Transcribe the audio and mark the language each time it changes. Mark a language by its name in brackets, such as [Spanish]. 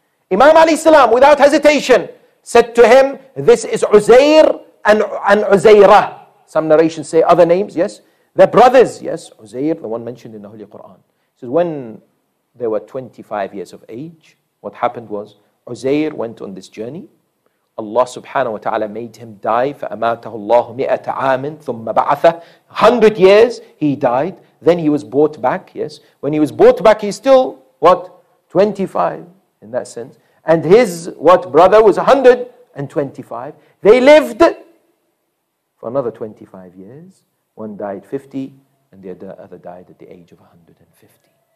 [English] Imam Ali Salam, without hesitation, said to him, "This is Uzair and Uzairah." Some narrations say other names, yes? They're brothers, yes? Uzair, the one mentioned in the Holy Quran. He says, when they were 25 years of age, what happened was, Uzair went on this journey. Allah subhanahu wa ta'ala made him die. [Arabic] فَأَمَاتَهُ اللَّهُ مِئَةَ عَامٍ ثُمَّ بَعَثَ [English] 100 years, he died. Then he was brought back, yes? When he was brought back, he's still, what? 25, in that sense. And his, what, brother was 125. They lived for another 25 years. One died 50, and the other died at the age of 150.